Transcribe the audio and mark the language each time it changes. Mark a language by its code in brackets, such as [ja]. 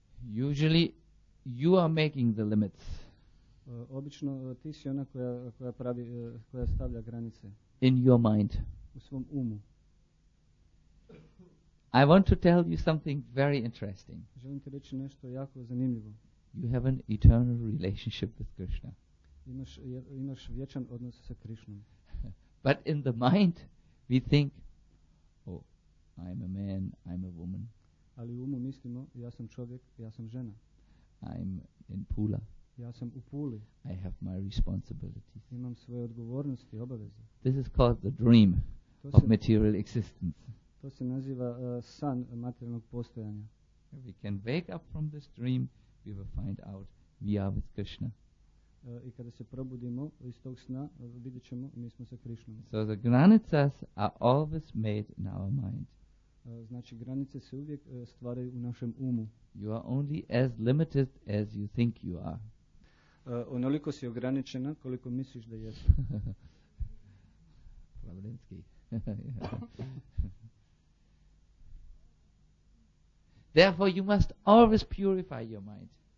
[en] Usually, you are making the limits. [hr] Obično ti si ona koja pravi koja stavlja granice. [en] In your mind. [hr] U svom umu. [en] I want to tell you something very interesting. [hr] Želim ti reći nešto jako zanimljivo. [en] You have an eternal relationship with Krishna. [hr] Imaš vječan odnos sa Krishnom. [en] But in the mind. We think, oh, I'm a man, I'm a woman. [hr] Ali u umu mislimo, ja sam čovjek, ja sam žena. [en] I'm in Pula. [hr] Ja sam u Puli. [en] I have my responsibilities. [hr] Imam svoje odgovornosti, obaveze. [en] This is called the dream of material existence. [hr] To se naziva san materijalnog postojanja. [en] If we can wake up from this dream, we will find out we are with Krishna. [hr] I kada se probudimo iz tog sna, vidjet ćemo mi smo sa Krishnom. [en] So the granicas are always made in our mind. [hr] Znači granice se uvijek stvaraju u našem umu. [en] You are only as limited as you think you are. [hr] Onoliko si ograničena koliko misliš da jesi. Pravdinski. [en] Therefore you must always purify your mind.